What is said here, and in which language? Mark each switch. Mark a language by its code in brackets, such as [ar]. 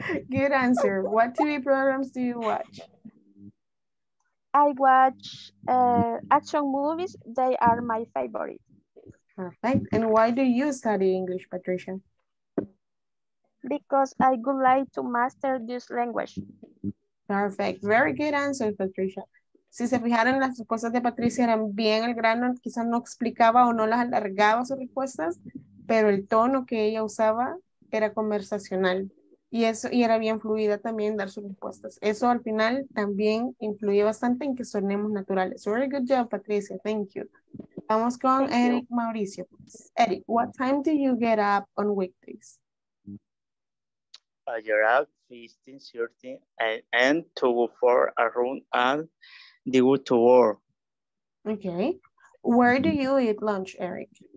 [en] Good answer. What TV programs do you watch? I watch action movies. They are my favorite. Perfect. And why do you study English, Patricia? Because I would like to master this language. Perfect. Very good answer, Patricia. [es] Si se fijaran, las respuestas de Patricia eran bien al grano. Quizás no explicaba o no las alargaba sus respuestas, pero el tono que ella usaba era conversacional. Y era bien fluida también dar sus respuestas. Eso al final también influye bastante en que sonemos naturales. [en] Very good job, Patricia. Thank you. [es] Vamos con [en] Thank Eric you. Mauricio. Eric, what time do you get up on weekdays? I get up 15:30 a.m. to go for a run and the go to work. Okay. Where do you eat lunch, Eric?